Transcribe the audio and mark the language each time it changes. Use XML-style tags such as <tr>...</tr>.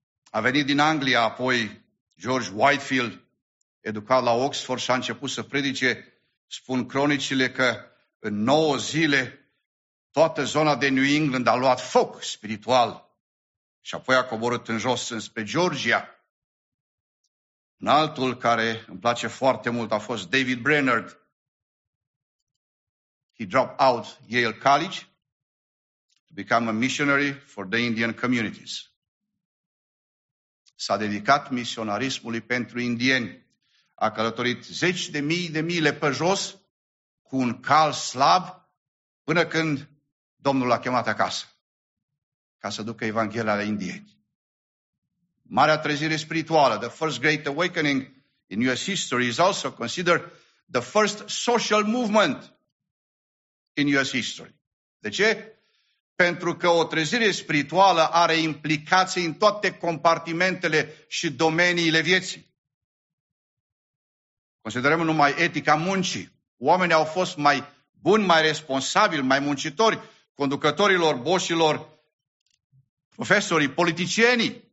<ro>A venit din Anglia, apoi George Whitefield, educat la Oxford și a început să predice, spun cronicile că în 9 zile toată zona de New England a luat foc spiritual și apoi a coborât în jos înspre Georgia. Un altul care îmi place foarte mult a fost David Brainerd.</ro> <en>He dropped out Yale College to become a missionary for the Indian communities.</en> <ro>S-a dedicat misionarismului pentru indieni. A călătorit 10.000 de mile pe jos cu un cal slab până când Domnul l-a chemat acasă ca să ducă Evanghelia la indieni. Marea trezire spirituală,</ro> <en>the first great awakening in US history, is also considered the first social movement in US history.</en> <ro>De ce? Pentru că o trezire spirituală are implicații în toate compartimentele și domeniile vieții. Considerăm numai etica muncii. Oamenii au fost mai buni, mai responsabili, mai muncitori, conducătorilor, boșilor, profesorii, politicienii.</ro>